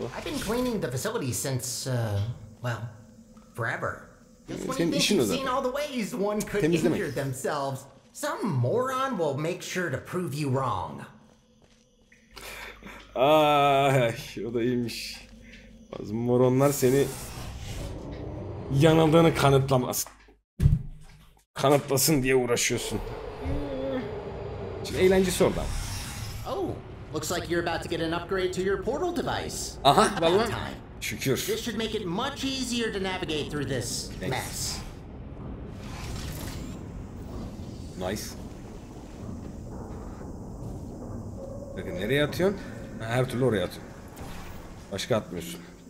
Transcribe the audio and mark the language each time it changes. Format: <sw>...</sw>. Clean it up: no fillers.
<en>I've been cleaning the facility since well, forever.</en> <tr>Temizlemek.</tr> <en>Some moron will make sure to prove you wrong.</en> <tr>Ay, o da iyiymiş. Bazı moronlar seni yanıldığını kanıtlamaz. Kanıtlasın diye uğraşıyorsun. Şimdi eğlencesi orada.</tr> <en>Oh, looks like you're about to get an upgrade to your portal device.</en> <tr>Aha, vallahi. Şükür.</tr> <en>This should make it much easier to navigate through this mess.</en> <tr>Nice. Bakın nereye atıyorsun? Her türlü oraya atıyorum. Başka atmıyorsun.</tr>